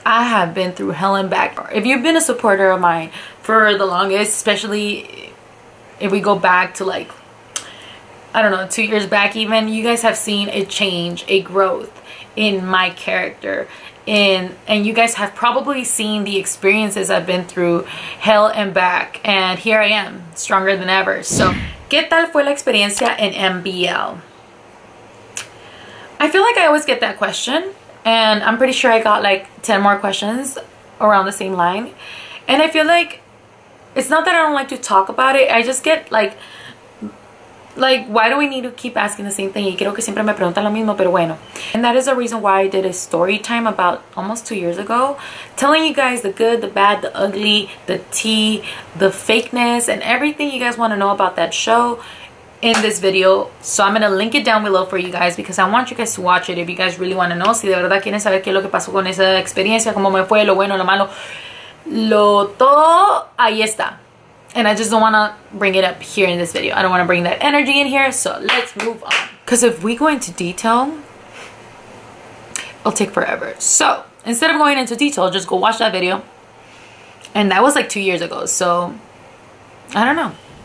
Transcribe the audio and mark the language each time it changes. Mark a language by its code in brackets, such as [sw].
[en] If you've been a supporter of mine for the longest, especially if we go back to like, I don't know, 2 years back even, you guys have seen a change, a growth in my character. And you guys have probably seen the experiences I've been through hell and back. And here I am, stronger than ever. [es] So, ¿qué tal fue la experiencia en MBL? [en] I feel like I always get that question. And I'm pretty sure I got like 10 more questions around the same line. And I feel like it's not that I don't like to talk about it. I just get like, why do we need to keep asking the same thing? [es] Y creo que siempre me preguntan lo mismo, pero bueno. [en] And that is the reason why I did a story time about almost 2 years ago, telling you guys the good, the bad, the ugly, the tea, the fakeness, and everything you guys want to know about that show in this video. So I'm gonna link it down below for you guys, because I want you guys to watch it if you guys really want to know. [es] Si de verdad quieren saber qué es lo que pasó con esa experiencia, cómo me fue, lo bueno, lo malo, lo todo, ahí está. [en] And I just don't want to bring it up here in this video. I don't want to bring that energy in here. So let's move on, because if we go into detail, it'll take forever. So instead of going into detail, just go watch that video. And that was like 2 years ago, so I don't know.